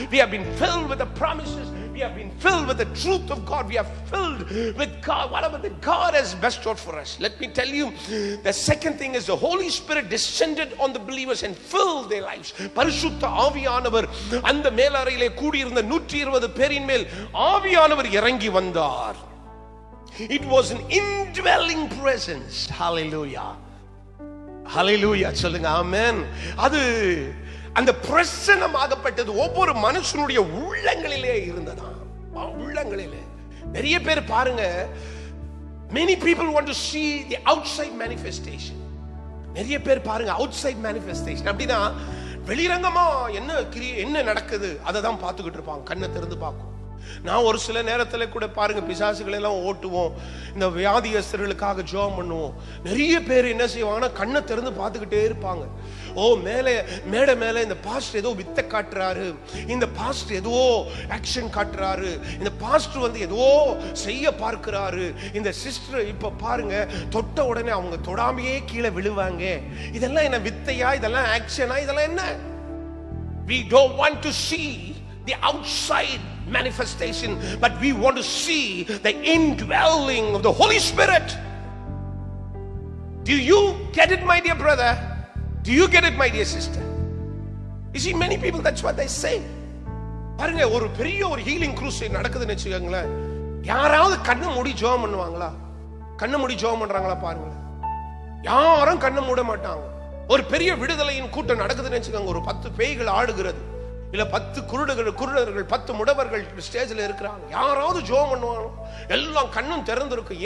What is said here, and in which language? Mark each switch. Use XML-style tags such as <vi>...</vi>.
<en>We have been filled with the promises. We have been filled with the truth of God. We have filled with God whatever the God has bestowed for us. Let me tell you, the second thing is the Holy Spirit descended on the believers and filled their lifes.</en> <ta>பரிசுத்த ஆவியானவர் அந்த மேலறையிலே கூடியிருந்த 120 பேரின் மேல் ஆவியானவர் இறங்கி வந்தார்.</ta> <en>It was an indwelling presence.</en> <ta>Hallelujah. Hallelujah. சொல்லுங்க ஆமென். அது அந்த பிரசன்னமாகப்பட்டது ஒவ்வொரு மனுஷனுடைய உள்ளங்களிலே இருந்ததாம், உள்ளங்களிலே. நிறைய பேர் பாருங்க,</ta> <en>many people want to see the outside manifestation.</en> <ta>நிறைய பேர் பாருங்க</ta> <en>outside manifestation</en> <ta>அப்படினா வெளிரங்கமா என்ன கிரியை என்ன நடக்குது அதை தான் பார்த்துக்கிட்டு இருப்பாங்க, கண்ணை திறந்து பார்க்கும். நான் ஒரு சில நேரத்துல கூட பாருங்க, பிசாசுகளை எல்லாம் ஓட்டுவோம், இந்த வியாதியஸ்தர்களுக்காக ஜெபம் பண்ணுவோம். நிறைய பேர் என்ன செய்வாங்கன்னா கண்ணை திறந்து பார்த்துக்கிட்டே இருப்பாங்க. ஓ, மேலே மேடை மேலே இந்த பாஸ்டர் ஏதோ வித்த காட்டுறாரு, இந்த பாஸ்டர் ஏதோ ஆக்ஷன் காட்டுறாரு, இந்த பாஸ்டர் வந்து ஏதோ செய்ய பார்க்கிறாரு, இந்த சிஸ்டர் இப்ப பாருங்க தொட்ட உடனே அவங்க தொடாமையே கீழே விழுவாங்க. இதெல்லாம் என்ன வித்தையா, இதெல்லாம் ஆக்ஷனா, இதெல்லாம் என்ன?</ta> <en>We don't want to see the outside manifestation, but we want to see the indwelling of the Holy Spirit. Do you get it, my dear brother? Do you get it, my dear sister? You see, many people, that's what they say.</en> <ta>பாருங்க, ஒரு பெரிய ஒரு healing cruise நடக்குதுன்னு வச்சுக்கோங்களேன், யாராவது கண்ணை மூடி ஜெபம் பண்ணுவாங்களா? கண்ணை மூடி ஜெபம் பண்றாங்களா? பாருங்க, யாரும் கண்ணை மூட மாட்டாங்க. ஒரு பெரிய விடுதலையின் கூட்டம் நடக்குதுன்னு வச்சுக்கோங்க, ஒரு 10 பேய்கள் ஆடுகிறது, இல்ல 10 குருடர்கள் 10 முடவர்கள் ஸ்டேஜ்ல இருக்கிறாங்க, யாராவது ஜெபம் பண்ணுவாங்க, எல்லாம் கண்ணும் திறந்திருக்கும்.</ta>